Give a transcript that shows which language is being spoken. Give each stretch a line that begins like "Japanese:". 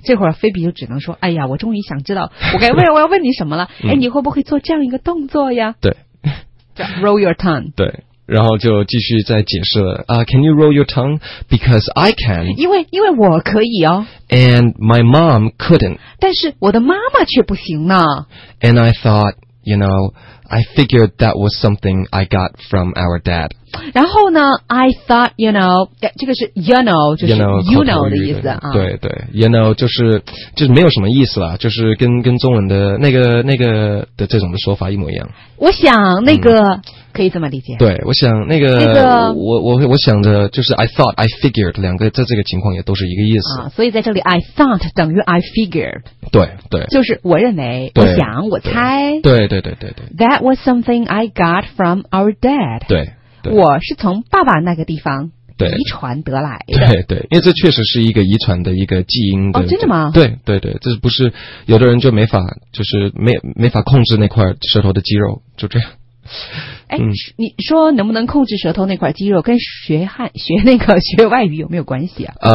Chinese: 这会儿菲比就只能说：“哎呀，我终于想知道，我该问，我要问你什么了？哎，你会不会做这样一个动作呀？” 对，叫
English: roll your tongue。
Chinese: 对。然后就继续再解释了啊、，
English: Can you roll your tongue? Because I can.
Chinese: 因为我可以哦。
English: And my mom couldn't.
Chinese: 但是我的妈妈却不行呢。
English: And I thought, you know, I figured that was something I got from our dad.
Chinese: 然后呢
English: ，I thought, you know，
Chinese: 这个是
English: you know， 就是 you know
Chinese: 的意思啊。对对 ，
English: you know
Chinese: 就是没有什么意思啦，就是跟中文的那个的这种的说法一模一样。我想那个。嗯，可以这么理解。对，我想那个我想着就是
English: I thought I figured
Chinese: 两个在这个情况也都是一个意思啊。所以在这里 I thought 等于 I figured。对对。就是我认为，我想，我猜。对对对对对。
English: That was something I got from our dad。
Chinese: 对。对，我是从爸爸那个地方遗传得来的。对对，因为这确实是一个遗传的一个基因的。哦，真的吗？对对对，这不是有的人就没法，就是没法控制那块舌头的肌肉，就这样。哎，你说能不能控制舌头那块肌肉，跟学外语有没有关系啊？